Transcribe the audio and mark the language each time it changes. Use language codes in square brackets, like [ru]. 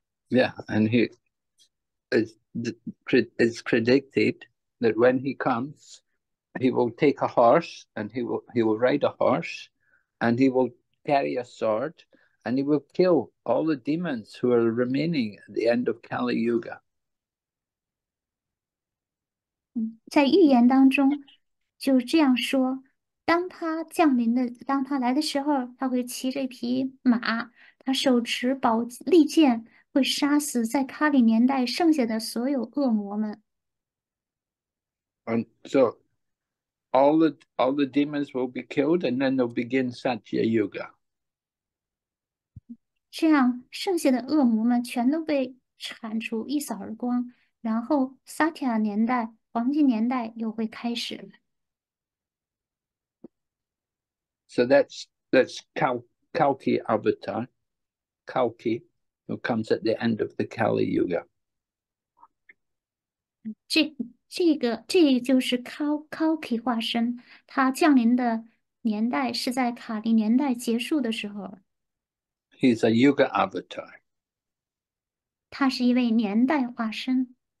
[en] Yeah, and he is predicted that when he comes, he will take a horse and he will ride a horse and he will carry a sword and he will kill all the demons who are remaining at the end of Kali Yuga. [zh] 在预言当中，就这样说：当他来的时候，他会骑着一匹马，他手持宝利剑，会杀死在卡里年代剩下的所有恶魔们。 [en] And so all the demons will be killed and then they'll begin Satya Yuga. [zh] 这样，剩下的恶魔们全都被铲除，一扫而光，然后萨提亚年代。黄金年代又会开始了。 [en] So that's Kalki Avatar, Kalki, who comes at the end of the Kali Yuga. [zh] 这就是 Kalki 化身，它降临的年代是在卡利年代结束的时候。 [en] He's a Yuga avatar. [zh] 它是一位年代化身。